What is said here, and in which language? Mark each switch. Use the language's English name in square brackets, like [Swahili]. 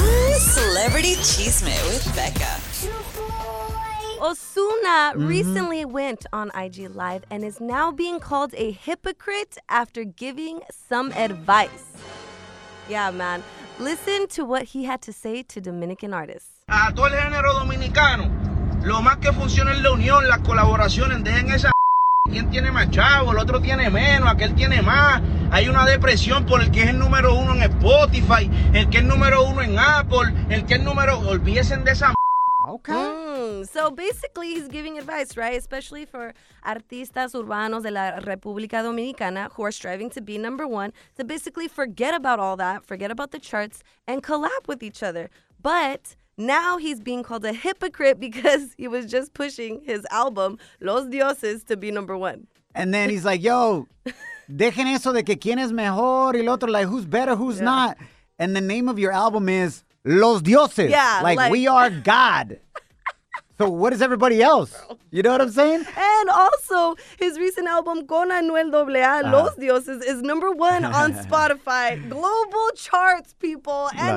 [English] Ooh, celebrity cheesemate with Becca. Ozuna recently went on IG Live and is now being called a hypocrite after giving some advice. Yeah, man. Listen to what he had to say to Dominican artists. [Spanish] A todo el género dominicano. Lo más que funciona es la unión, las colaboraciones, dejen esa. ¿Quién tiene más chavo? El otro tiene menos, aquel tiene más. Hay una depresión por el que es el número uno en Spotify, el que es número uno en Apple, el que es número. Olvídense de esa. [English] Okay. So basically, he's giving advice, right? Especially for [Spanish] artistas urbanos de la República Dominicana [English] who are striving to be number one, to basically forget about all that, forget about the charts, and collab with each other. But now he's being called a hypocrite because he was just pushing his album, Los Dioses, to be number one. And then he's like, yo, [Spanish] dejen eso de que quién es mejor y el otro, [English] like, who's better, who's not. And the name of your album is Los Dioses. Yeah. Like, we are God. So what is everybody else? You know what I'm saying? And also, his recent album, Con Anuel AA, Los Dioses, is number one on Spotify. Global charts, people, and